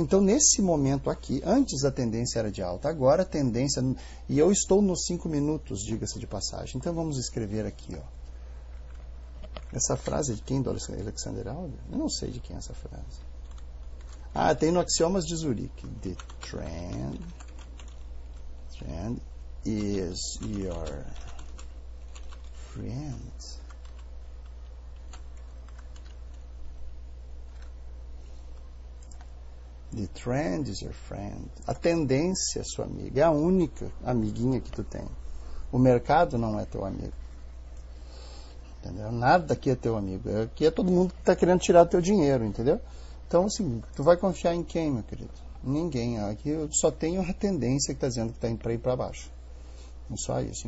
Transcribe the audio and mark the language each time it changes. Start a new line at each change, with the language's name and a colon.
Portuguese: Então, nesse momento aqui, antes a tendência era de alta, agora a tendência... E eu estou nos 5 minutos, diga-se de passagem. Então, vamos escrever aqui, ó. Essa frase é de quem, do Alexander Alder? Eu não sei de quem é essa frase. Ah, tem no Axiomas de Zurique.
English: The trend is your friend. The trend is your friend.
Portuguese: A tendência é sua amiga. É a única amiguinha que tu tem. O mercado não é teu amigo. Entendeu? Nada aqui é teu amigo. Aqui é todo mundo que está querendo tirar teu dinheiro, entendeu? Então, assim, tu vai confiar em quem, meu querido? Ninguém. Aqui eu só tenho a tendência que está dizendo que está indo para ir para baixo. É só isso.